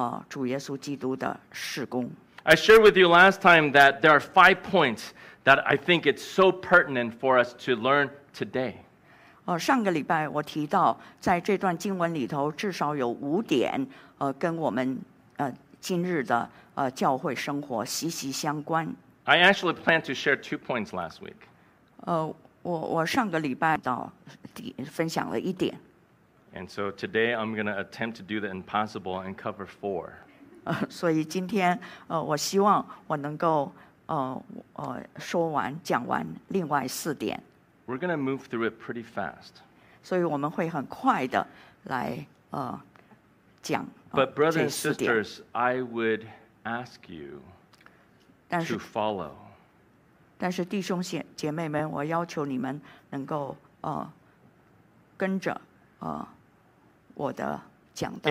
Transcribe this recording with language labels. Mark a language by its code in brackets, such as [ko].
[zh] 我们这就表示我们认识到，我们肯定或者我们承认神主耶稣基督在我们生命中的事工，在教会里头，我们也是在做主耶稣基督的事工。 [en] I shared with you last time that there are 5 points that I think it's so pertinent for us to learn today. [zh] 上个礼拜我提到，在这段经文里头至少有五点，跟我们今日的教会生活息息相关。 [en] I actually planned to share 2 points last week. [zh] 我上个礼拜到分享了一点。 [en] And so today I'm going to attempt to do the impossible and cover 4. [zh] 所以今天，我希望我能够说完讲完另外四点。 [en] We're going to move through it pretty fast. [zh] 所以我们会很快的来讲这四点。 [en] But brothers and sisters, I would ask you to follow. [zh] 但是弟兄姐妹们，我要求你们能够跟着我的讲道。